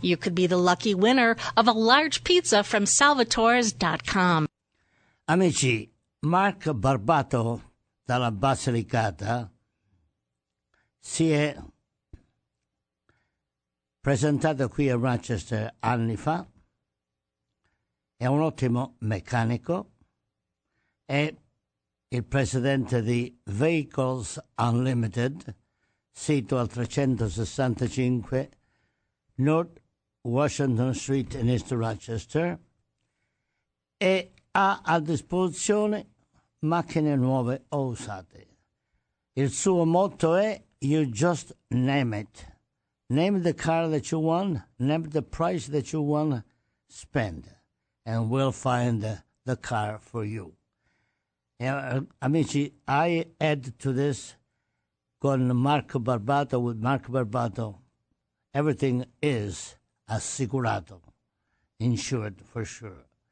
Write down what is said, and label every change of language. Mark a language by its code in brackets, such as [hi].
[en] You could be the lucky winner of a large pizza from salvatores.com. [it] Amici, Mark Barbato, dalla Basilicata, si è presentato qui a Rochester anni fa, è un ottimo meccanico, è il presidente di Vehicles Unlimited, sito al 365 North Washington Street in East Rochester, e ha a disposizione macchine nuove o usate. Il suo motto è [en] "You just name it. Name the car that you want, name the price that you want, spend, and we'll find the car for you." Amici, I add to this [it] con Marco Barbato, [en] with Marco Barbato, everything is assicurato, insured for sure.